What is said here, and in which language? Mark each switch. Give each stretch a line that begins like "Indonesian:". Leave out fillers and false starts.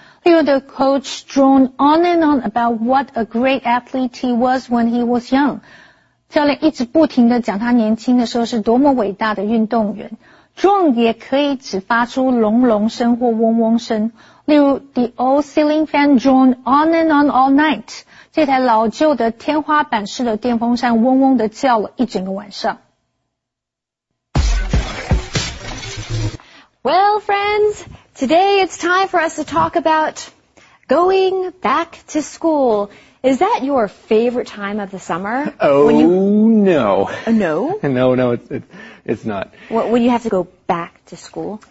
Chinese: 例如
English: ，the coach droned on and on about what a great athlete he was when he was young。
Chinese: 教练一直不停地讲他年轻的时候是多么伟大的运动员。 Drone 也可以只发出隆隆声或嗡嗡声。例如
English: ，the old ceiling fan droned on and on all night。
Chinese: 这台老旧的天花板式的电风扇嗡嗡地叫了一整个晚上。
English: Well, friends, today it's time for us to talk about going back to school. Is that your favorite time of the summer? Oh, no. No? No, it's not. What, when you have to go back to school?